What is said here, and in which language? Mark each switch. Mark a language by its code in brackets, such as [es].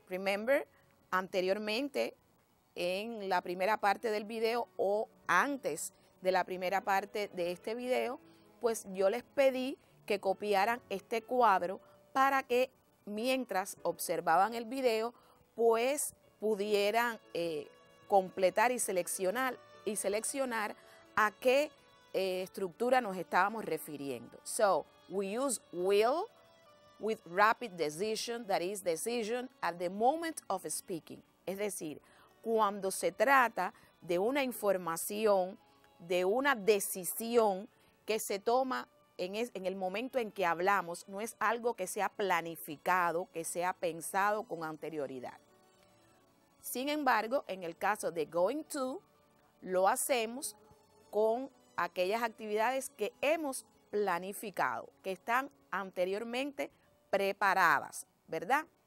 [es] Remember, anteriormente, en la primera parte del video o antes de la primera parte de este video, pues yo les pedí que copiaran este cuadro para que mientras observaban el video, pues pudieran completar y seleccionar a qué estructura nos estábamos refiriendo. [en] So, we use will with rapid decision, that is decision at the moment of speaking. [es] Es decir, cuando se trata de una información, de una decisión que se toma en el momento en que hablamos, no es algo que sea planificado, que sea pensado con anterioridad. Sin embargo, en el caso de going to, lo hacemos con aquellas actividades que hemos planificado, que están anteriormente preparadas, ¿verdad?